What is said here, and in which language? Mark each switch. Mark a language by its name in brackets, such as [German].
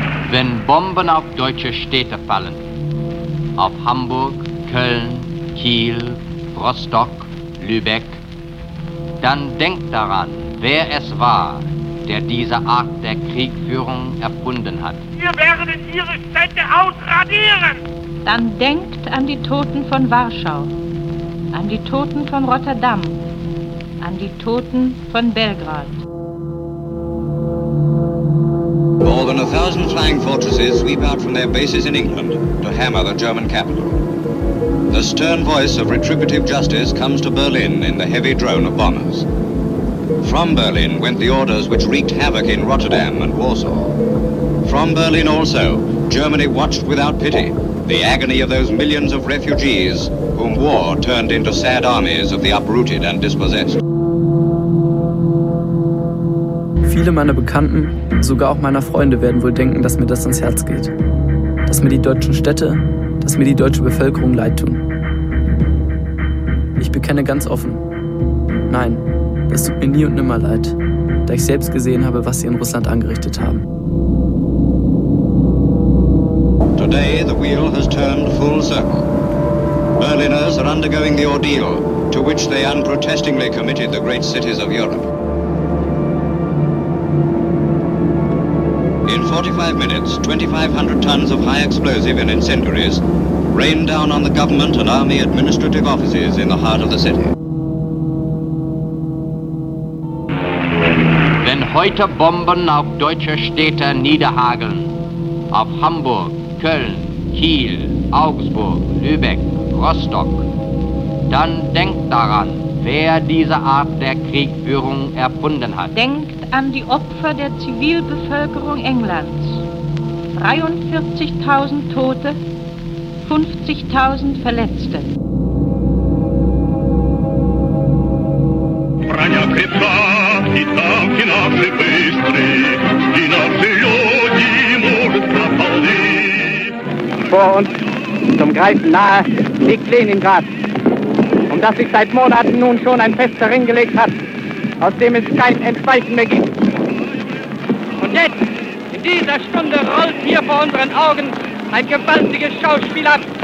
[German] Wenn Bomben auf deutsche Städte fallen, auf Hamburg, Köln, Kiel, Rostock, Lübeck, dann denkt daran, wer es war, der diese Art der Kriegführung erfunden hat. Wir werden ihre Städte ausradieren! Dann denkt an die Toten von Warschau, an die Toten von Rotterdam, an die Toten von Belgrad. [English] More than 1,000 flying fortresses sweep out from their bases in England to hammer the German capital. The stern voice of retributive justice comes to Berlin in the heavy drone of bombers. From Berlin went the orders which wreaked havoc in Rotterdam and Warsaw. From Berlin also, Germany watched without pity the agony of those millions of refugees whom war turned into sad armies of the uprooted and dispossessed. [German] Viele meiner Bekannten, sogar auch meiner Freunde, werden wohl denken, dass mir das ans Herz geht. Dass mir die deutschen Städte, dass mir die deutsche Bevölkerung leid tun. Ich bekenne ganz offen, nein, das tut mir nie und nimmer leid, da ich selbst gesehen habe, was sie in Russland angerichtet haben. [English] Today the wheel has turned full circle. Berliners are undergoing the ordeal to which they unprotestingly committed the great cities of Europe. In 45 minutes, 2,500 tons of high explosive and incendiaries rained down on the government and army administrative offices in the heart of the city. [German] Wenn heute Bomben auf deutsche Städte niederhageln, auf Hamburg, Köln, Kiel, Augsburg, Lübeck, Rostock, dann denkt daran, wer diese Art der Kriegführung erfunden hat. Denkt an die Opfer der Zivilbevölkerung Englands. 43.000 Tote, 50.000 Verletzte. [Russian] Броня крепка, и танки наши быстры, и наши люди мужественны. [German] Vor uns, zum Greifen nahe, liegt Leningrad. Um das sich seit Monaten nun schon ein fester Ring gelegt hat, aus dem es kein Entweichen mehr gibt. Und jetzt, in dieser Stunde, rollt hier vor unseren Augen ein gewaltiges Schauspiel ab.